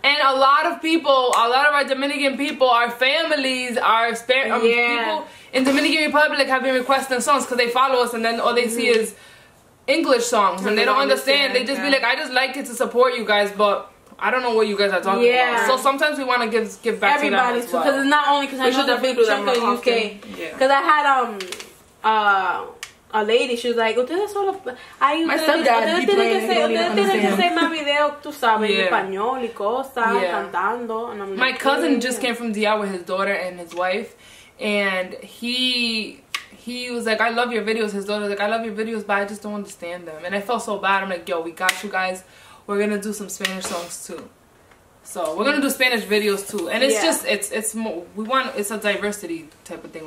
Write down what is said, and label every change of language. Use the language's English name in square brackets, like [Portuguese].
[English] And a lot of people, a lot of our Dominican people, our families, our people in Dominican Republic have been requesting songs because they follow us and then all they see is English songs and they don't understand. They just be like, I just like it to support you guys, but I don't know what you guys are talking about. So sometimes we want to give back everybody to them everybody, because it's not only because I know the big chunk of UK. Because I had a lady, she was like, [Spanish] ustedes solo, ay, ustedes tienen que hacer más video, tú sabes, en español y cosas, cantando. [English] My cousin just came from DR with his daughter and his wife, and he he was like, I love your videos. His daughter was like, I love your videos, but I just don't understand them. And I felt so bad. I'm like, yo, we got you guys. We're going to do some Spanish songs too. So we're going to do Spanish videos too. And it's just, it's more, we want, it's a diversity type of thing.